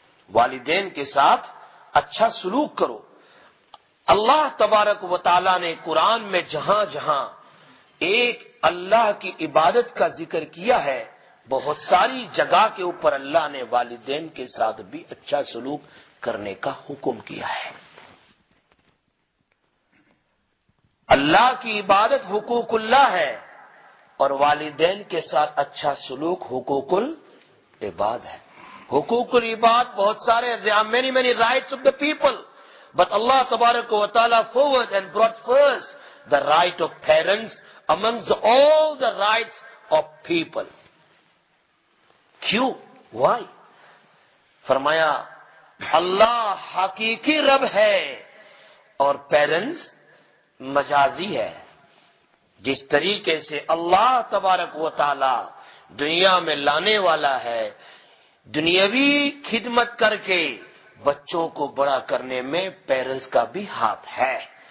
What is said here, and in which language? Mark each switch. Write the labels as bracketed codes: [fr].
[ur] والدین کے ساتھ اچھا سلوک کرو. اللہ تبارک و تعالی نے قرآن میں جہاں جہاں ایک اللہ کی عبادت کا ذکر کیا ہے, بہت ساری جگہ کے اوپر اللہ نے والدین کے ساتھ بھی اچھا سلوک کرنے کا حکم کیا ہے. اللہ کی عبادت حقوق اللہ ہے, اور والدین کے ساتھ اچھا سلوک حقوق العباد ہے. حقوق العباد بہت سارے, [en] there are many many rights of the people, but Allah تبارک و تعالی forward and brought first the right of parents amongst all the rights of people. [ur] کیوں, [en] why? [ur] فرمایا اللہ حقیقی رب ہے اور پیرنٹس مجازی ہے. جس طریقے سے اللہ تبارک و تعالی دنیا میں لانے والا ہے, دنیاوی خدمت کر کے بچوں کو بڑا کرنے میں پیرنٹس کا بھی ہاتھ ہے.